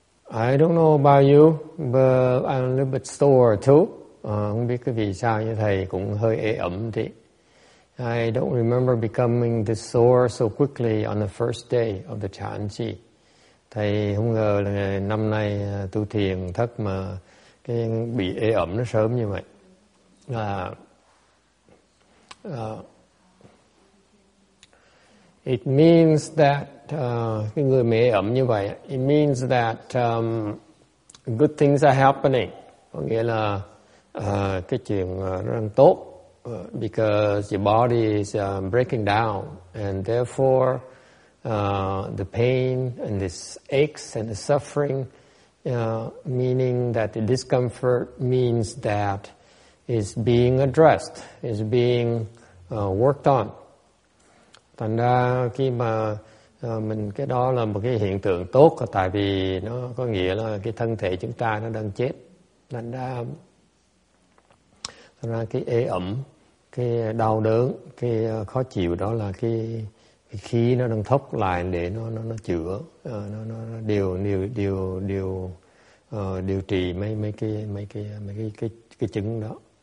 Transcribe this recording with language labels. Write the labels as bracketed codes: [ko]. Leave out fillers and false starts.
[en] I don't know about you, but I'm a little bit sore too. [vi] Không biết cái vì sao như thầy cũng hơi ế ẩm thế. [en] I don't remember becoming this sore so quickly on the first day of the Chan Chi. [vi] Thầy không ngờ là năm nay tu thiền thất mà cái bị ế ẩm nó sớm như vậy. [en] It means that [vi] cái người mà ế ẩm như vậy, [en] it means that good things are happening. [vi] Có nghĩa là cái chuyện nó đang tốt. [en] Because your body is breaking down, and therefore the pain and this aches and the suffering, meaning that the discomfort means that is being addressed, is being worked on. [vi] Thành ra khi mà mình cái đó là một cái hiện tượng tốt, tại vì nó có nghĩa là cái thân thể chúng ta nó đang chết. Thành ra cái ê ẩm, cái đau đớn, cái khó chịu đó là cái khí nó đang thốc lại để nó chữa, nó điều trị mấy cái chứng đó.